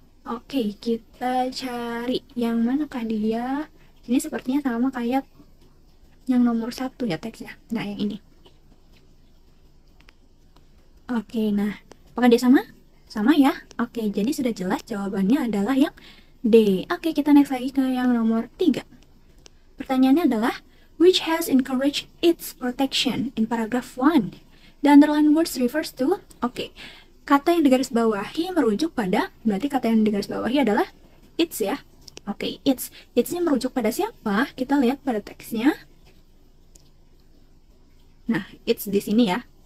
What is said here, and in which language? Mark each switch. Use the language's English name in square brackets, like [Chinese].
[Indonesian] Oke, kita cari yang manakah dia. Ini sepertinya sama kayak yang nomor 1 ya teksnya. Nah, yang ini. Oke, nah. Apakah dia sama? Sama ya. Oke, jadi sudah jelas jawabannya adalah yang D. Oke, kita next lagi ke yang nomor 3. Pertanyaannya adalah, [English] which has encouraged its protection in paragraph 1? The underlined words refers to, [Indonesian] oke, kata yang digarisbawahi merujuk pada, berarti kata yang digarisbawahi adalah its ya. Oke, its. Its-nya merujuk pada siapa? Kita lihat pada teksnya. Nah, its di sini ya.